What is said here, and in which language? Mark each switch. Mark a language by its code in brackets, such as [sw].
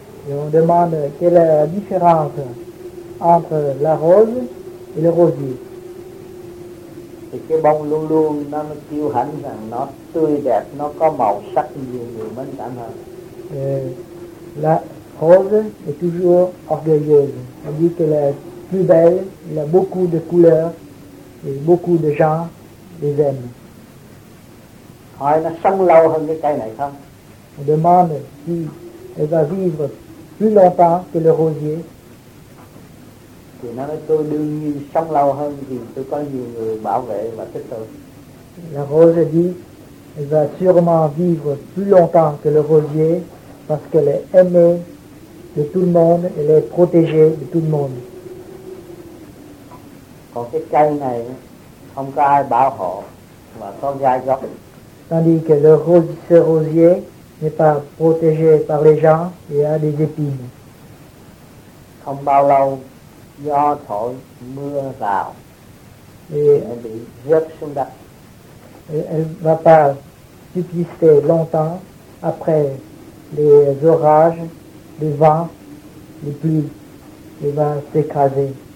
[fr] Et on demande quelle est la différence entre la rose et le rosier. [vi] Thì cái bông luôn luôn nó kêu hãnh rằng nó tươi đẹp, nó có màu sắc nhiều người mến cảm hơn. [fr] La rose est toujours orgueilleuse. Elle dit qu'elle est plus belle, elle a beaucoup de couleurs et beaucoup de gens les aiment. [vi] Hỏi nó sống lâu hơn cái cây này không? [fr] On demande si elle va vivre plus longtemps que le rosier. [vi] Thì nó nói tôi đương nhiên sống lâu hơn thì tôi có nhiều người bảo vệ và thích tôi. [fr] La rose dit elle va sûrement vivre plus longtemps que le rosier parce qu'elle est aimée de tout le monde, elle est protégée de tout le monde. [vi] Còn cái cây này không có ai bảo hộ và có gai góc. [fr] Tandis que ce rosier n'est pas protégé par les gens et a des épines. [vi] Không bao lâu gió thổi mưa vào [fr] et [vi] bị rớt xuống đất. [fr] Elle va pas subsister longtemps après les orages, les vents, les pluies, elle va s'écraser.